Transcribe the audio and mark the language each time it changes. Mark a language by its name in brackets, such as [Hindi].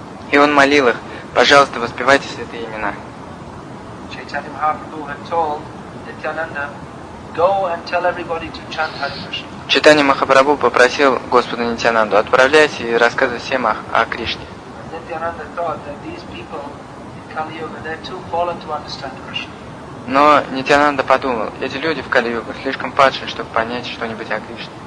[Russian] И он молил их, пожалуйста, воспевайте святые имена. [English] Chaitanya Mahaprabhu had told Nityananda, go and tell everybody to chant Hare Krishna. [Russian] Чайтанья Махапрабху попросил Господа Нитянанду, отправляйся и рассказывай всем о Кришне. [English] And Nityananda thought that these people in Kali Yuga, they're too fallen to understand Krishna. [Russian] Но Нитянанда подумал, эти люди в Кали Юге слишком падшие, чтобы понять что-нибудь о Кришне.